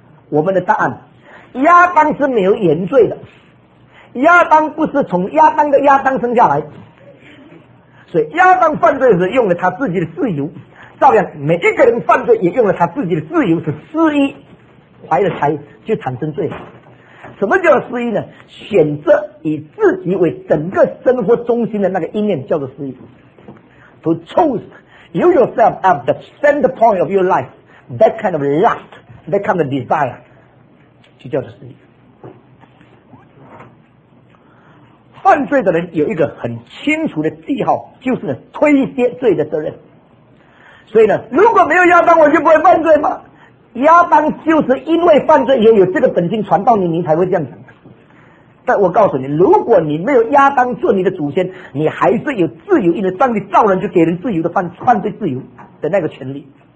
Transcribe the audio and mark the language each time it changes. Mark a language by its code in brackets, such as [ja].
[zh] 我们的答案，亚当是没有原罪的，亚当不是从亚当的亚当生下来，所以亚当犯罪时用了他自己的自由，照样每一个人犯罪也用了他自己的自由，是失意怀了财就产生罪。什么叫失意呢？选择以自己为整个生活中心的那个意念叫做失意。 [en] To choose you yourself as the center point of your life, that kind of lust, that kind of desire, [zh] 就叫做失意。犯罪的人有一个很清楚的记号，就是推卸罪的责任。所以呢，如果没有亚当，我就不会犯罪吗？亚当就是因为犯罪，也有这个本性传到你，你才会这样子。但我告诉你，如果你没有亚当做你的祖先，你还是有自由，因为上帝造人就给人自由的犯罪自由的那个权利。